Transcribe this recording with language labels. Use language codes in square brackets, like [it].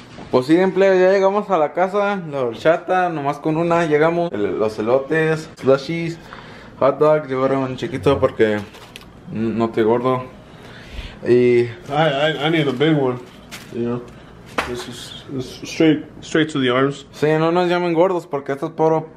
[es] Pues sí, plebes, ya llegamos a la casa, la horchata, nomás con una, llegamos, los elotes, slushies, hot dog, llevaron un chiquito porque no estoy gordo, y... [en] I need a big one, you know, this is straight to the arms. [es] Sí, no nos llamen gordos porque esto es puro...